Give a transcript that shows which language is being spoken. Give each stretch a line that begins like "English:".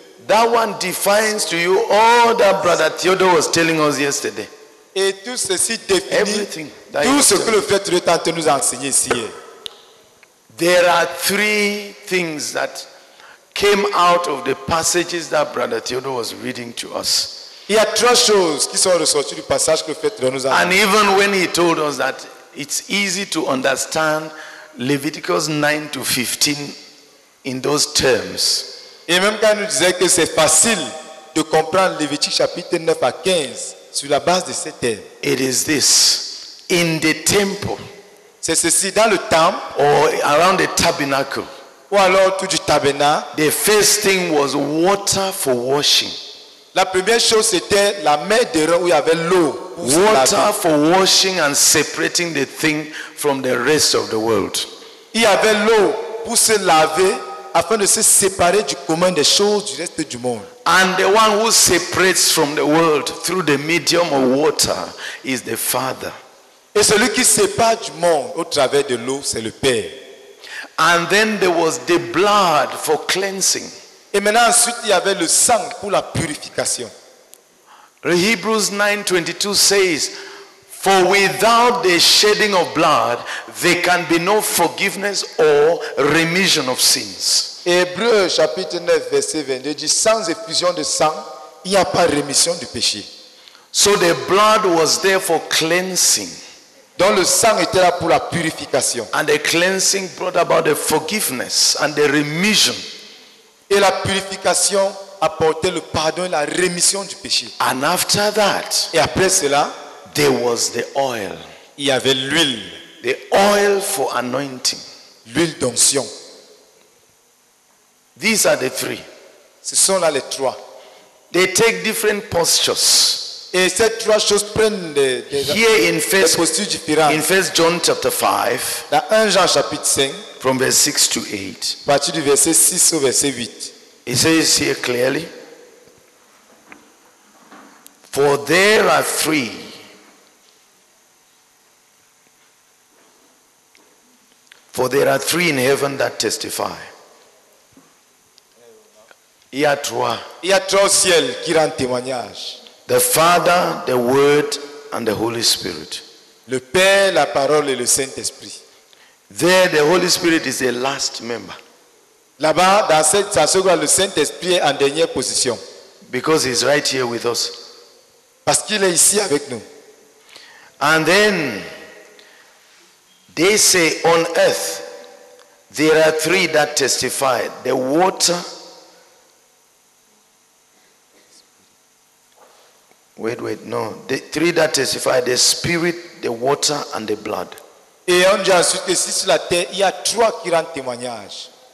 English: That one defines to you all that Brother Theodore was telling us yesterday.
French: Et tout ceci définit tout ce que le frère Théodore tente de nous enseigner ici.
English: There are three things that came out of the passages that Brother Theodore was reading to us.
French: Il y a trois choses qui sont ressorties du passage que le frère Théodore nous a enseigné.
English: And even when he told us that it's easy to understand Leviticus 9 to 15 in those terms.
French: Et même quand il nous disait que c'est facile de comprendre Lévitique chapitre 9 à 15 sur la base de ces termes.
English: It is this. In the temple.
French: C'est ceci dans le temple.
English: Or around the tabernacle.
French: Ou alors tout du tabernacle.
English: The first thing was water for washing.
French: La première chose c'était la mer de rein où il y avait l'eau.
English: Water for washing and separating the thing from the rest of the world.
French: Il y avait l'eau pour se laver afin de se séparer du commun des choses du reste du monde.
English: And the one who separates from the world through the medium of water is the Father.
French: Et celui qui sépare du monde au travers de l'eau, c'est le Père.
English: And then there was the blood for cleansing.
French: Et maintenant ensuite il y avait le sang pour la purification.
English: Hebrews 9:22 says, for without the shedding of blood, there can be no forgiveness or remission of sins.
French: Hébreux chapitre 9 verset 22 dit sans effusion de sang, il n'y a pas rémission du péché.
English: So the blood was there for cleansing.
French: Donc le sang était là pour la purification.
English: And the cleansing brought about the forgiveness and the remission.
French: Et la purification apportait le pardon et la rémission du péché.
English: And after that,
French: et après cela,
English: there was the oil.
French: Il y avait l'huile.
English: The oil for anointing.
French: L'huile d'onction.
English: These are the three.
French: Ce sont là les trois.
English: They take different postures.
French: Et ces trois choses prennent des postures différentes.
English: In 1 John chapter 5.
French: Dans 1 Jean chapitre 5.
English: From verse 6 to 8.
French: Partie du verset 6 au verset 8.
English: It says here clearly. For there are three. For there are three in heaven that testify.
French: Il y a trois. Il y a trois au ciel qui rend témoignage.
English: The Father, the Word, and the Holy Spirit.
French: Le Père, la Parole et le Saint-Esprit.
English: There, the Holy Spirit is the last member.
French: Là-bas, dans cette sassure, le Saint-Esprit est en dernière position.
English: Because he's right here with us.
French: Parce qu'il est ici avec nous.
English: And then, they say on earth, there are three that testify. The water. No. The three that testify, the spirit, the water, and the blood.
French: Et on dit ensuite que si sur la terre, il y a trois qui rendent témoignage.